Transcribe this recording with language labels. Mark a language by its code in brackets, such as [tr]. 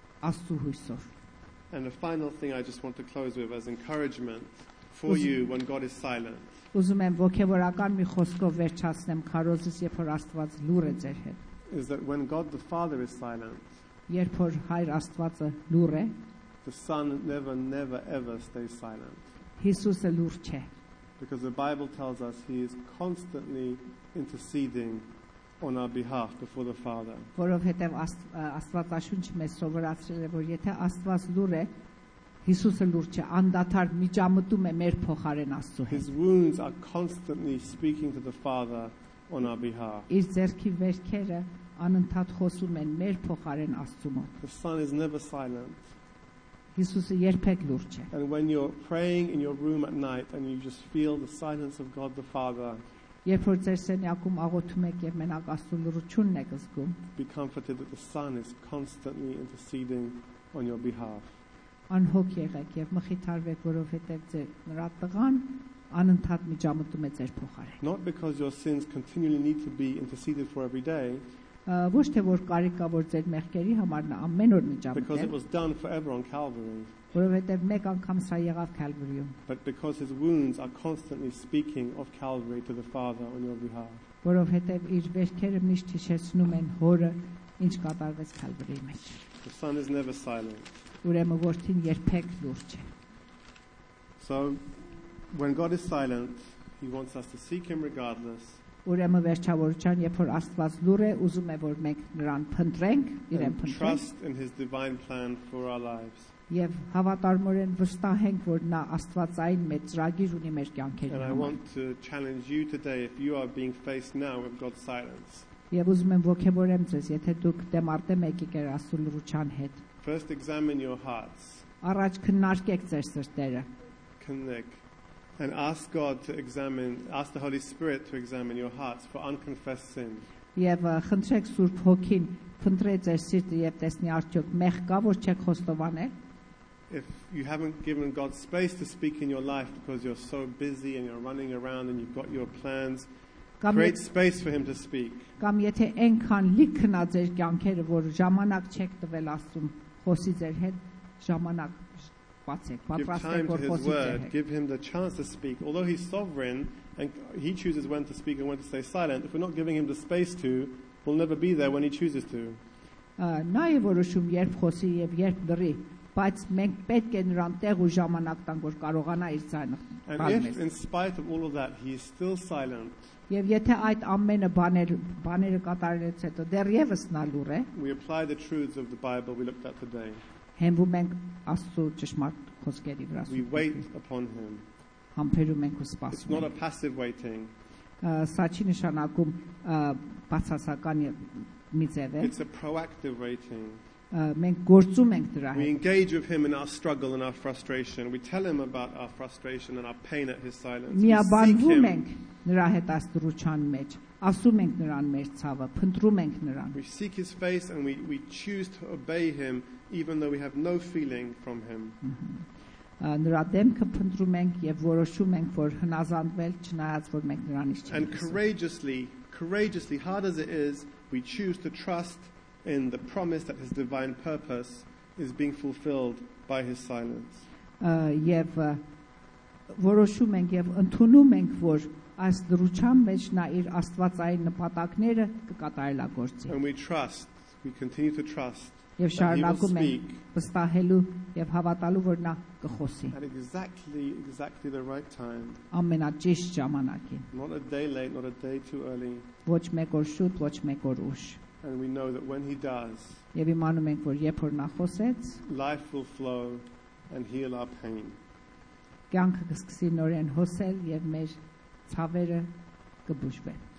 [hy] Աստծո հույսով։ [en] And the final thing I just want to close with as encouragement for you when God is silent. [hy] Ուզում եմ ոգևորական մի խոսքով վերջացնեմ քարոզս, երբ որ Աստված լուր է ձեր հետ։ [en] Is that when God the Father is silent? [hy] Երբ որ Հայր Աստվածը լուր է, [en] the Son never never ever stays silent. [hy] Հիսուսը լուր չէ։ [en] Because the Bible tells us he is constantly interceding on our behalf before the Father. [hy] Որովհետև Աստվածաշունչը մեզ սովորացրել է, որ եթե Աստված լուր է, Հիսուսը լուր չէ, անդադար միջամտում է մեր փոխարեն Աստծո հետ։ [en] His wounds are constantly speaking to the Father on our behalf. [hy] Իր ձեռքի վերքերը անընդհատ խոսում են մեր փոխարեն Աստծո մոտ։ [en] The Son is never silent. [hy] Հիսուսը երբեք լուր չէ։ [en] And when you're praying in your room at night and you just feel the silence of God the Father. [hy] Երբ որ ձեր սենյակում աղոթում եք եւ մենակ Աստծո լրությունն եք զգում. [en] Be comforted that the Son is constantly interceding on your behalf. [hy] Անհոգ եղեք եւ մխիթարվեք, որովհետեւ ձեր նրա տղան անընդհատ միջամտում է ձեր փոխարեն։ [en] Not because your sins continually need to be interceded for every day. [hy] Ոչ թե որ կարիքավոր ձեր մեղքերի համար նա ամեն օր միջամտում է։ [en] Because it was done forever on Calvary. [hy] Որովհետև մեկ անգամ սա եղավ Քալվարիում։ [en] But because his wounds are constantly speaking of Calvary to the Father on your behalf. [hy] Որովհետև իր մեղքերը միշտ հիշեցնում են հորը, ինչ կատարվեց Քալվարիի մեջ։ [en] The Son is never silent. [hy] Ուրեմն որդին երբեք լուր չէ։ [en] So when God is silent, he wants us to seek him regardless. [hy] Ուրեմն վերջավորության, երբ որ Աստված լուր է, ուզում է, որ մենք նրան փնտրենք, իրեն փնտրենք։ [en] Trust in his divine plan for our lives. [hy] Եվ հավատարմորեն վստահենք, որ նա Աստվածային մեծ ծրագիր ունի մեր կյանքերի համար։ [en] And I want to challenge you today if you are being faced now with God's silence. [hy] Եվ ուզում եմ ոգևորեմ ձեզ, եթե դուք դեմ արդեմ եկեք Աստծո լրության հետ։ [en] First examine your hearts. [hy] Առաջ քննարկեք ձեր սրտերը։ Քննեք [en] and ask God to examine, ask the Holy Spirit to examine your hearts for unconfessed sin. [hy] Եվ խնդրեք Սուրբ Հոգին, փնտրե ձեր սիրտը եւ տեսնի արդյոք մեղ կա, որ չեք խոստովանել։ [en] If you haven't given God space to speak in your life because you're so busy and you're running around and you've got your plans, create space for him to speak. [hy] Կամ եթե այնքան լիք կնա ձեր կյանքերը, որ ժամանակ չեք տվել Աստծուն խոսի ձեր հետ, ժամանակ բացեք, պատրաստեք որ խոսի ձեր հետ։ [en] Give him the chance to speak. Although he's sovereign and he chooses when to speak and when to stay silent, if we're not giving him the space to, we'll never be there when he chooses to. [hy] Նա է որոշում երբ խոսի եւ երբ լռի, բայց մենք պետք է նրան տեղ ու ժամանակ տանք, որ կարողանա իր ձայնը բացել։ [en] And in spite of all of that, he is still silent. [hy] Եվ եթե այդ ամենը բաները կատարելուց հետո դեռևս նա լուր է։ [en] We apply the truths of the Bible we looked at today. [hy] Հենվում ենք Աստծո ճշմարտ խոսքերի վրա։ [en] We wait upon him. [hy] Համբերում ենք ու սպասում։ [en] It's not a passive waiting. [hy] Սա չի նշանակում բացասական մի ձև է։ [en] It's a proactive waiting. [hy] Մենք գործում ենք դրա հետ։ [en] We engage with him in our struggle and our frustration. We tell him about our frustration and our pain at his silence. [hy] Միաբանվում ենք նրա հետ աստրության մեջ, ասում ենք նրան մեր ցավը, փնտրում ենք նրան։ [en] We seek his face and we choose to obey him even though we have no feeling from him. [hy] Նրա դեմքը փնտրում ենք եւ որոշում ենք, որ հնազանդվել, չնայած որ մենք նրանից չենք։ [en] And courageously, hard as it is, we choose to trust in the promise that his divine purpose is being fulfilled by his silence. [hy] Եվ որոշում ենք եւ ընդունում ենք, որ այս դրության մեջ նա իր աստվածային նպատակները կկատարելա գործի։ [en] And we trust, we continue to trust [hy] Եվ շարունակում է վստահելու եւ հավատալու, որ նա կխոսի։ [en] At exactly the right time. [hy] Ամենաճիշտ ժամանակին։ [en] Not a day late, not a day too early. [hy] Ոչ մեկ օր շուտ, ոչ մեկ օր ուշ։ [en] And we know that when he does. [hy] Եվ իմանում ենք, որ երբ որ նա խոսեց, [en] life will flow and heal our pain. [hy] Կյանքը կսկսի նորեն հոսել եւ մեր ցավերը կբուժվեն։